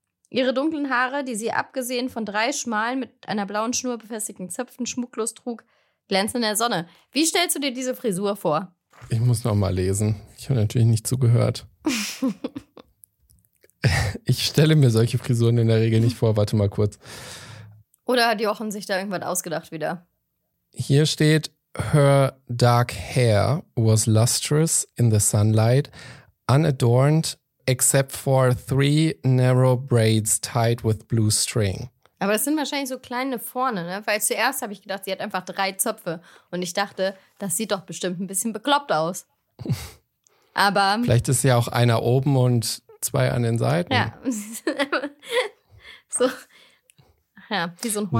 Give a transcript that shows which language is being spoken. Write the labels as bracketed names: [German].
[German] Ihre dunklen Haare, die sie abgesehen von drei schmalen mit einer blauen Schnur befestigten Zöpfen schmucklos trug, glänzen in der Sonne. Wie stellst du dir diese Frisur vor? Ich muss noch mal lesen. Ich habe natürlich nicht zugehört. Ich stelle mir solche Frisuren in der Regel nicht vor. Warte mal kurz. Oder hat Jochen sich da irgendwas ausgedacht wieder? Hier steht, [English] her dark hair was lustrous in the sunlight, unadorned except for three narrow braids tied with blue string. [German] Aber das sind wahrscheinlich so kleine vorne, ne? Weil zuerst habe ich gedacht, sie hat einfach drei Zöpfe. Und ich dachte, das sieht doch bestimmt ein bisschen bekloppt aus. Aber vielleicht ist ja auch einer oben und zwei an den Seiten. Ja, so... Ja, wie so ein Horn.